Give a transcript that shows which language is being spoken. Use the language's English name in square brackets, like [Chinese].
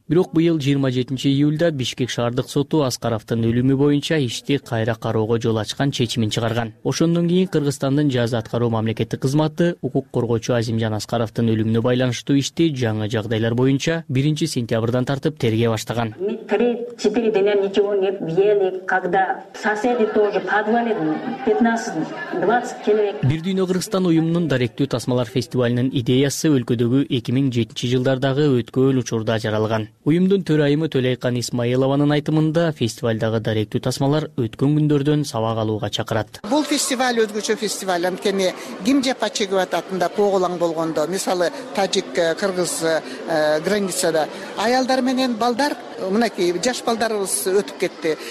[Kyrgyz] Бирок быйыл 27 июлда Бишкек шаардык соту Аскаровдун өлүмү боюнча ишти кайра кароого жол ачкан чечимин чыгарган. Ошондон кийин Кыргызстандын жаза аткаруу мамлекеттик кызматы укук коргоочу Азимжан Аскаровдун өлүмүнө байланыштуу ишти жаңы жагдайлар боюнча 1-сентябрдан тартып тергөө баштаган. [Russian] Мы 3-4 дня ничего не ели, когда соседи тоже подвалили 15-20 человек. [Kyrgyz] Бир дүйнө Кыргызстан уюмунун даректүү тасмалар фестивалинин идеясы өлкөдөгү 2007-жылдардагы өткөөл учурда жаралган. Уюмдун төрайымы Төлөйкан Исмаилованын айтымында фестивалдагы даректүү тасмалар өткөн күндөрдөн сабак алууга чакырат. Бул фестиваль өзгөчө фестиваль, анткени ким жапа чегип атат мында кооголоң болгондо, мисалы тажик кыргыз границада аялдар менен балдар, мынакей жаш балдарыбыз өтүп кетти.